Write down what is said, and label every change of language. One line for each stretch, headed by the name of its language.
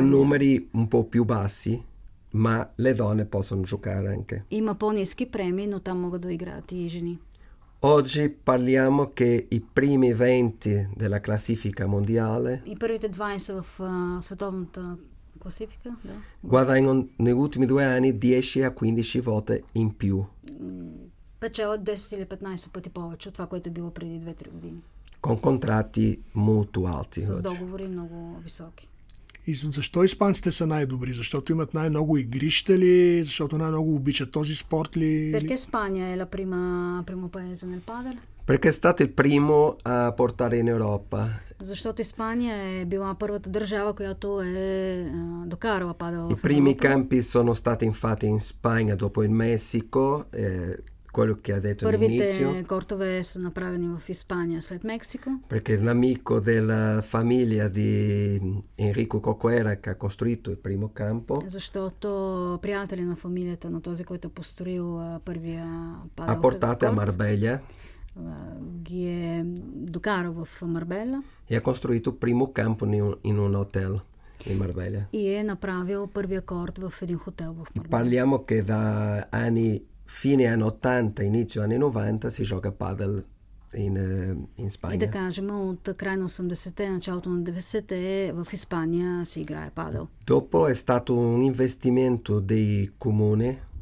Italian: numeri un po' più bassi, ma le donne possono giocare anche.
Bulgarian: Има по-низки премии, но там могат да играят и жени.
Italian: Oggi parliamo che i primi 20 della classifica mondiale.
Bulgarian: I първите 20 в световната класифика, да.
Italian: Guadagnano negli ultimi due anni 10 a 15 volte in più.
Bulgarian: Печелят 10 или 15 пъти повече от това, което е било преди 2-3 години.
Italian: Con contratti molto alti.
Bulgarian: С договори много високи. И защо испанците са най-добри? Защото имат най-много игрища ли? Защото най-много обичат този спорт ли?
Italian: Perché Spagna è la prima primo paese nel padel? Perché è stato il primo a portare in Europa.
Bulgarian: Защото Испания е била първата държава, която е докарала падел.
Italian: I primi campi sono stati infatti in Spagna dopo il Messico. Quello che ha detto all'inizio.
Bulgarian: Първите кортове са направени в Испания след Мексико.
Italian: Perché l'amico della famiglia di Enrico Coquera che ha costruito il primo campo.
Bulgarian: Защото приятели на фамилията на този, който построил първия падел.
Italian: Ha portato a Marbella.
Bulgarian: Ги е докарал в Марбелла.
Italian: И ha costruito il primo campo in un hotel. In Marbella.
Bulgarian: И е направил първия корт в един хотел в Марбелла.
Italian: Parliamo che da anni fine anni 80, inizio anni 90 si gioca padel in Spagna.
Bulgarian: E da кажем, от край на 80-те, началото на 90-те в Испания се играе падел.
Italian: Dopo è stato un investimento dei comuni.